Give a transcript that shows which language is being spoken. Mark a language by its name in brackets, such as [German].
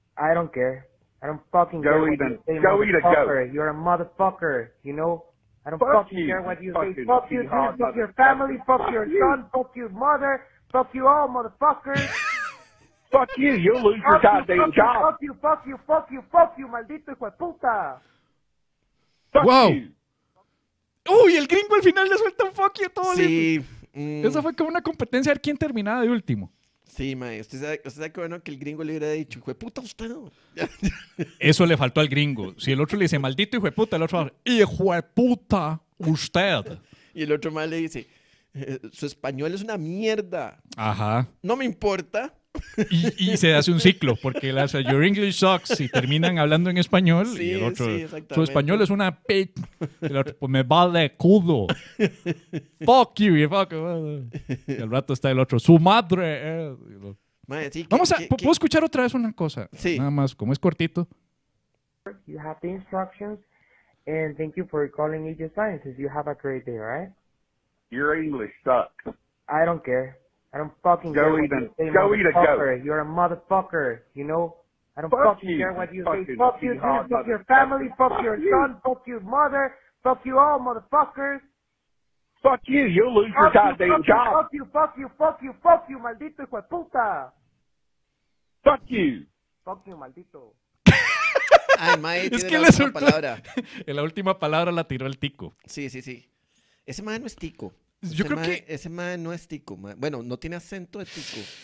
[English] I don't care. I don't fucking care what you say, you're a motherfucker, you know? I don't fucking care what you say. Fuck you, dude. Fuck your family. Fuck your son. Fuck your mother. Fuck you all, motherfuckers. Fuck you. You'll lose your goddamn job. Fuck you. Fuck you. Fuck you. Fuck you, [Spanish] maldito hijo de puta. Wow. Uy, el gringo al final le suelta un [English] fuck you [Spanish] a todo. Sí. Eso fue como una competencia de quién terminaba de último. Sí, mae, usted sabe que bueno que el gringo le hubiera dicho, hijo de puta, usted no. Eso le faltó al gringo. Si el otro le dice, maldito hijo de puta, el otro va a decir, hijo de puta, usted. Y el otro mae le dice, su español es una mierda. Ajá. No me importa. Y se hace un ciclo, porque él hace, [English] your English sucks, [Spanish] y terminan hablando en español. Sí, y el otro, sí, exactamente. Su español es una pe... El otro, pues me vale culo. [English] Fuck you, fuck you. [Spanish] Y al rato está el otro, su madre. Madre, sí, ¿puedo escuchar otra vez una cosa? Sí. Nada más, como es cortito. [English] You have the instructions, and thank you for calling Age of Sciences. You have a great day, right? Your English sucks. I don't care. I don't fucking care what you say, motherfucker. You're a motherfucker, you know? I don't fucking care what you say. Fuck you, dude. Fuck your family. Fuck your son. Fuck your mother. Fuck you all, motherfuckers. Fuck you. You'll lose your goddamn job. Fuck you. Fuck you. Fuck you. Fuck you, [Spanish] maldito hijo de puta. [English] Fuck you. Fuck you, [Spanish] maldito. Ay, mae, tiene la última palabra. En la última palabra la tiró el tico. Sí, sí, sí. Ese mae no es tico. Yo creo que... Ese mae no es tico, mae. Bueno, no tiene acento de tico.